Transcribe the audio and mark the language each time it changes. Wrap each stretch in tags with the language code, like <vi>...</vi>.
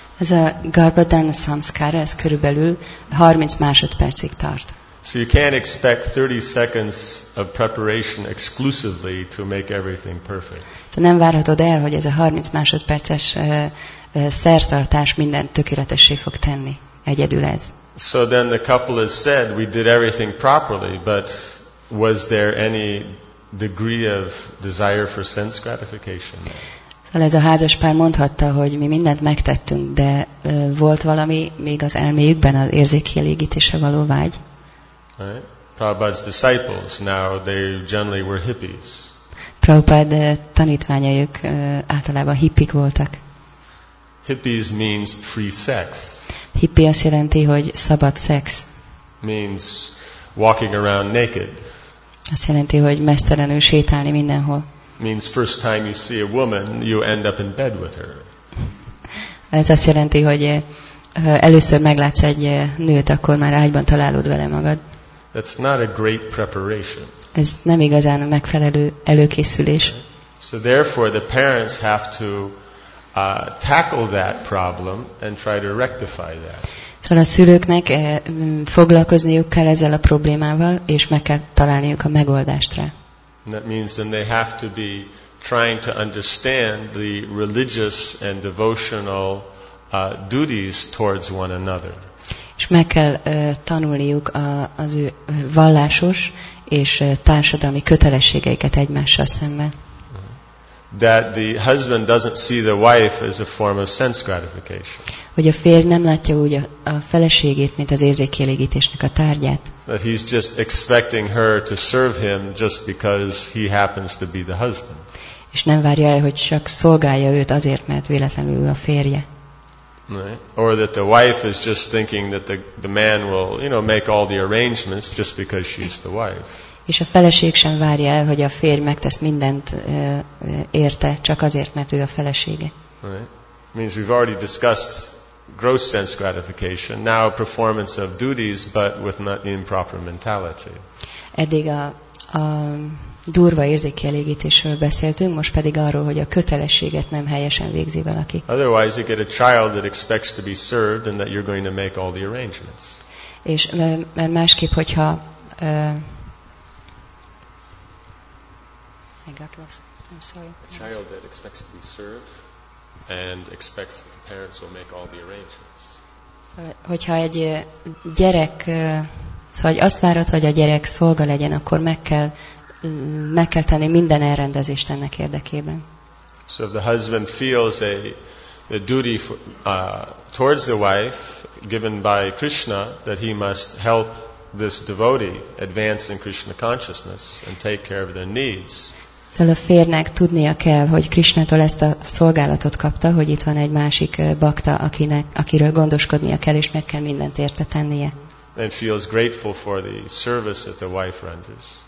<hu>Ez a Garbhadhan Samskar, ez körülbelül 30 másodpercig tart.</hu> <en>So you can't expect 30 seconds of preparation exclusively to make everything perfect.</en> <hu>Te nem várhatod el, hogy ez a 30 másodperces szertartás mindent tökéletessé fog tenni. Egyedül ez.</hu> <en>So then the couple has said we did everything properly, but was there any degree of desire for sense gratification?</en> <hu>Ez a házas pár mondhatta, hogy mi mindent megtettünk, de volt valami még az elméjükben, az érzékkielégítése való vágy.</hu> <en>Prabhupada's disciples now they generally were hippies.</en> <hu>Prabhupada tanítványaik általában hippik voltak.</hu> <en>Hippies means free sex.</en> <hu>Hippie azt jelenti, hogy szabad szex.</hu> <en>Means walking around naked.</en> <hu>Azt jelenti, hogy mesztelenül sétálni mindenhol.</hu> <en>Means first time you see a woman, you end up in bed with her.</en> <hu>Ez azt jelenti, hogy először meglátsz egy nőt, akkor már ágyban találod vele magad.</hu> <en>That's not a great preparation.</en> <hu>Ez nem igazán a megfelelő előkészülés.</hu> <en>Okay. So therefore the parents have to tackle that problem and try to rectify that.</en> <hu>Szóval a szülőknek foglalkozniuk kell ezzel a problémával, és meg kell találniuk a megoldást rá.</hu> <en>That means then they have to be trying to understand the religious and devotional duties towards one another.</en> <hu>És meg kell tanulniuk az ő vallásos és társadalmi kötelességeiket egymással szemben.</hu> <en>That the husband doesn't see the wife as a form of sense gratification.</en> <hu>Hogy a férj nem látja úgy a feleségét, mint az érzékkielégítésnek a tárgyát.</hu> <en>That he's just expecting her to serve him just because he happens to be the husband.</en> <hu>És nem várja el, hogy csak szolgálja őt azért, mert véletlenül ő a férje.</hu> <en>Right. Or that the wife is just thinking that the man will, you know, make all the arrangements just because she's the wife.</en> <hu>És a feleség sem várja el, hogy a férj megtesz mindent érte, csak azért, mert ő a felesége.</hu> <en>Right. Means we've already discussed gross sense gratification, now performance of duties, but with not improper mentality.</en> <hu>Eddig a durva érzékkielégítésről beszéltünk, most pedig arról, hogy a kötelességet nem helyesen végzi valaki.</hu> <en>Otherwise you get a child that expects to be served and that you're going to make all the arrangements.</en> <hu>És mert másképp, hogyha</hu> <en>I got lost. I'm sorry. A child that expects to be served and expects that the parents will make all the arrangements.</en> <hu>Hogyha egy gyerek, szóval azt várod, hogy a gyerek szolga legyen, akkor meg kell tenni minden elrendezést ennek érdekében.</hu> <en>So if the husband feels a duty towards the wife given by Krishna that he must help this devotee advance in Krishna consciousness and take care of their needs.</en> <hu>Szóval a férnek tudnia kell, hogy Krishnától ezt a szolgálatot kapta, hogy itt van egy másik bakta, akiről gondoskodnia kell, és meg kell mindent érte tennie.</hu> <en>And feels grateful for the service that the wife renders.</en>